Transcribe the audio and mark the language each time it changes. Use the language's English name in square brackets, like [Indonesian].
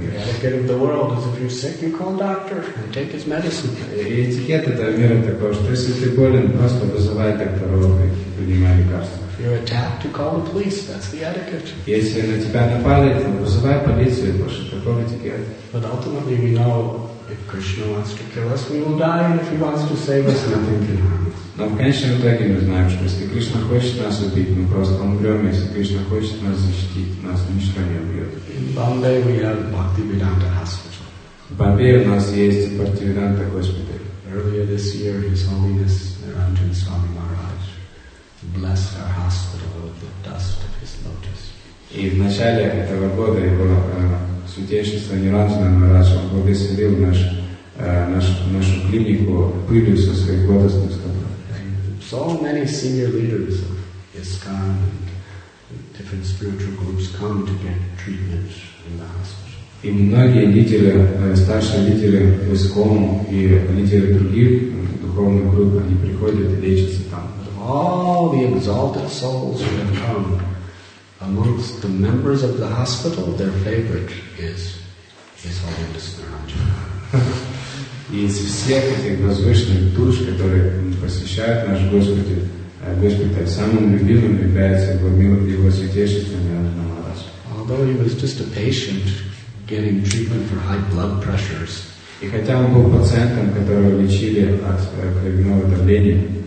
[English] The etiquette of the world is if you're sick, you call a doctor and take his medicine. [Russian] И этикет этого мира такой, что если ты болен, просто вызывай доктора и принимай лекарства. [English] If you're attacked, to call the police. That's the etiquette. [Russian] Если на тебя напали, то вызывай полицию, больше такого этикета. [English] But ultimately, we know if Krishna wants to kill us, we will die, and if he wants to save us, nothing can happen. [Russian] Но в конечном итоге мы знаем, что если Кришна хочет нас убить, мы просто умрем, если Кришна хочет нас защитить, нас ничто не убьет. [English] In Bombay, we have Bhaktivedanta Hospital. [Russian] В Бомбее у нас есть Бхактивиданта Госпиталь. [English] Earlier this year, His Holiness Niranjan Swami Maharaj blessed our hospital with the dust of his lotus. [Russian] И в начале этого года его святейшество Ниранджана Махарадж благословил нашу клинику пылью со своих лотосных стопов. [English] So many senior leaders of ISKCON and different spiritual groups come to get treatment in the hospital. [Russian] И многие лидеры, старшие лидеры ISKCON и лидеры других духовных групп, они приходят и лечатся там. [English] All the exalted souls who have come amongst the members of the hospital, their favorite is His Holiness Niranjana. [Russian] И из всех этих возвышенных душ, которые посещают наш Господь, самым любимым является Его Святейшество Ниранджана Махарадж. [English] Although he was just a patient getting treatment for high blood pressures. [Russian] И хотя он был пациентом, которого лечили от кровяного давления,